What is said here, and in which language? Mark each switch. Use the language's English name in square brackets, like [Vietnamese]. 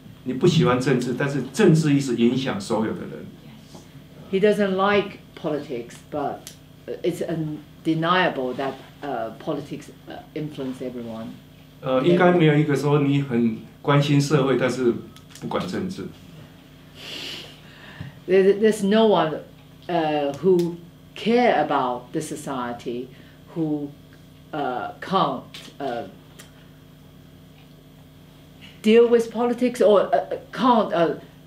[Chinese] 很可惜的是,你不喜欢政治,但是政治一直影响所有的人。 [English] He doesn't like politics, but it's undeniable that politics influence everyone. [Chinese] 应该没有一个说你很关心社会,但是不管政治。 [English] There's no one who care about the society who can't deal with politics or can't